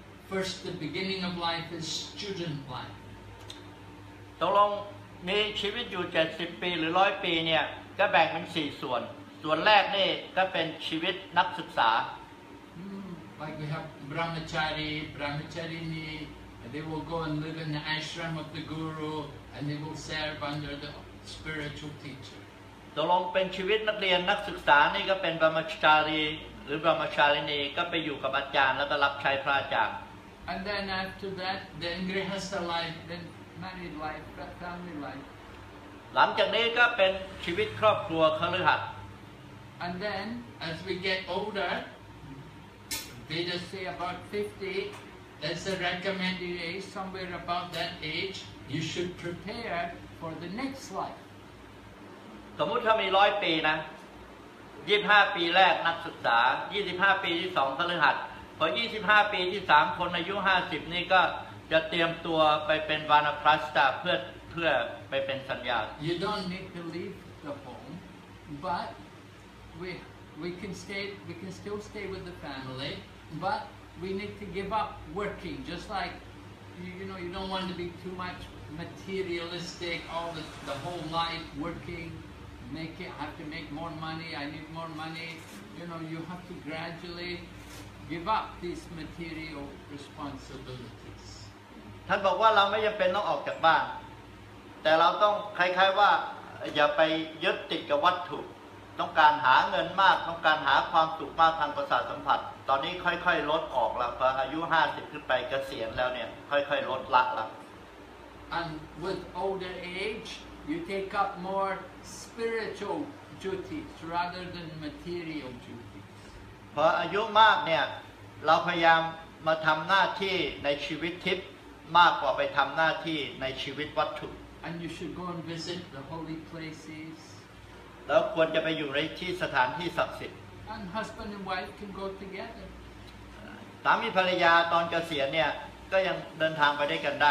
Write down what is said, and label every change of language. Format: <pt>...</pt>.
<en>First, the beginning of life is student life.</en> <th>ตกลงมีชีวิตอยู่70ปีหรือ100ปีเนี่ยก็แบ่งเป็น4ส่วนส่วนแรกนี่ก็เป็นชีวิตนักศึกษา</th> <en>Like we have brahmachari, brahmacharini, and they will go and live in the ashram of the guru, and they will serve under the spiritual teacher.</en> <th>ตกลงเป็นชีวิตนักเรียนนักศึกษานี่ก็เป็นบรมาจารีหรือบรมชาลินีก็ไปอยู่กับอาจารย์แล้วก็รับใช้พระอาจารย์</th> <en>And then after that then grihastha life then married life family life</en> <th>หลังจากนี้ก็เป็นชีวิตครอบครัวคฤหัสถ์</th> <en>And then as we get older they just say about 50 that's a recommended age somewhere about that age you should prepare for the next life</en> <th>สมมุติถ้ามี100ปีนะ25ปีแรกนักศึกษา25ปีที่2คฤหัสถ์พอ25ปีที่3คนอายุ50นี่ก็จะเตรียมตัวไปเป็นวานะพรัสตะเพื่อไปเป็นสัญญา</th> <en>You don't need to leave the home but we can still stay with the family but we need to give up working just like you know you don't want to be too much materialistic all the whole life workingMake it. Have to make more money. I need more money. You know, you have to gradually give up these material responsibilities.</en> <th>ท่านบอกว่าเราไม่จำเป็นต้องออกจากบ้านแต่เราต้องคล้ายๆว่าอย่าไปยึดติดกับวัตถุต้องการหาเงินมากต้องการหาความสุขมากทางประสาทสัมผัสตอนนี้ค่อยๆลดออกแล้วพออายุ50ขึ้นไปเกษียณแล้วเนี่ยค่อยๆลดละละ</th> <en>And with older age. You take up more spiritual duties rather than material duties.</en> <th>พออายุมากเนี่ยเราพยายามมาทำหน้าที่ในชีวิตทิพย์มากกว่าไปทำหน้าที่ในชีวิตวัตถุ</th> <en>And you should go and visit the holy places.</en> <th>แล้วควรจะไปอยู่ในที่สถานที่ศักดิ์สิทธิ์</th> <en>And husband and wife can go together.</en> <th>สามีภรรยาตอนเกษียณเนี่ยก็ยังเดินทางไปได้กันได</th>